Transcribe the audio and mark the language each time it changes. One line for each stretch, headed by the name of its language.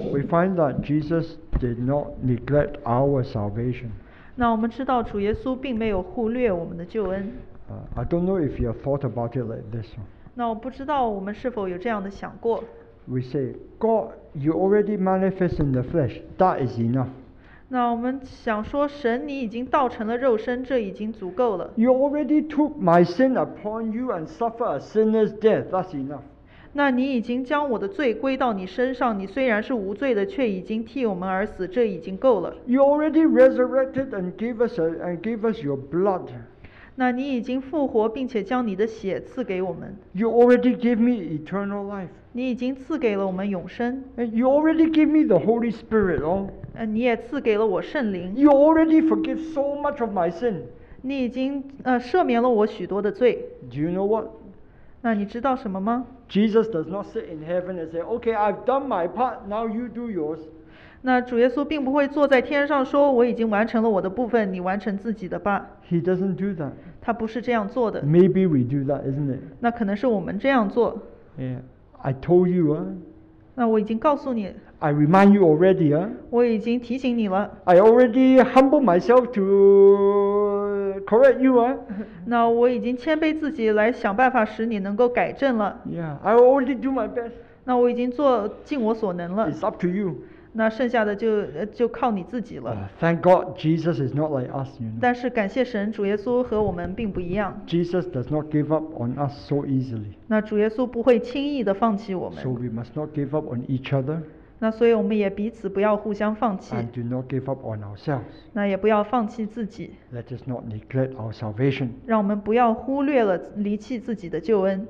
English: Find that Jesus did not neglect our salvation.
Chinese: 那我们知道主耶稣并没有忽略我们的救恩。
English: I don't know if you have thought about it like this.
Chinese: 那我不知道我们是否有这样的想过。
English: We say, God, you already manifest in the flesh. That is enough.
Chinese: 那我们想说，神你已经道成了肉身，这已经足够了。
English: You already took my sin upon you and suffered a sinner's death. That's enough.
Chinese: 那你已经将我的罪归到你身上，你虽然是无罪的，却已经替我们而死，这已经够了。
English: You already resurrected and gave us your blood.
Chinese: 那你已经复活，并且将你的血赐给我们。
English: You already gave me eternal life.
Chinese: 你已经赐给了我们永生。
English: And you already gave me the Holy Spirit,
Chinese: 你也赐给了我圣灵。
English: You already forgive so much of my sin.
Chinese: 你已经赦免了我许多的罪。
English: Do you know what?
Chinese: 那你知道什么吗？
English: Jesus does not sit in heaven and say, "Okay, I've done my part. Now you do yours."
Chinese: 那主耶稣并不会坐在天上说，我已经完成了我的部分，你完成自己的吧。
English: He doesn't do that.
Chinese: 他不是这样做的。
English: Maybe we do that, isn't it?
Chinese: 那可能是我们这样做。
English: Yeah, I told you.
Chinese: 那我已经告诉你。
English: I remind you already.
Chinese: 我已经提醒你了。
English: I already humble myself to. Correct you,
Chinese: 那我已经谦卑自己来想办法使你能够改正了。
English: Yeah, I already do my best.
Chinese: 那我已经做尽我所能了。
English: It's up to you.
Chinese: 那剩下的就靠你自己了。
English: Thank God, Jesus is not like us. You know?
Chinese: 但是感谢神，主耶稣和我们并不一样。
English: Jesus does not give up on us so easily.
Chinese: 那主耶稣不会轻易地放弃我们。
English: So we must not give up on each other.
Chinese: 那所以我们也彼此不要互相放弃。
English: And do not give up on ourselves.
Chinese: 那也不要放弃自己。
English: Let us not neglect our salvation.
Chinese: 让我们不要忽略了离弃自己的救恩。